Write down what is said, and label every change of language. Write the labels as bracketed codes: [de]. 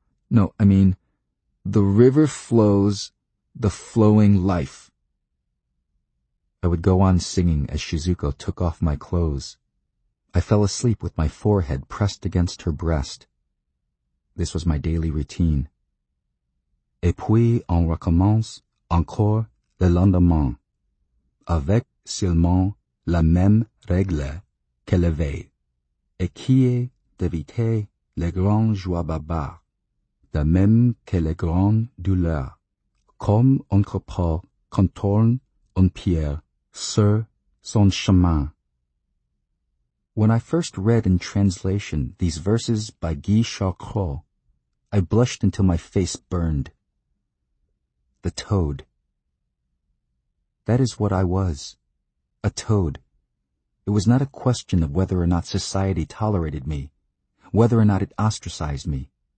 [en] No, I mean, the river flows the flowing life." I would go on singing as Shizuko took off my clothes. I fell asleep with my forehead pressed against her breast. This was my daily routine. [fr] Et puis on recommence encore le lendemain, avec seulement la même règle que la veille, et qui est d'éviter les grandes joies barbares, de même que les grandes douleurs, comme un corps contourne une pierre sur son chemin. [en] When I first read in translation these verses by Guy Charcot, I blushed until my face burned. The toad. That is what I was. A toad. It was not a question of whether or not society tolerated me, whether or not it ostracized me.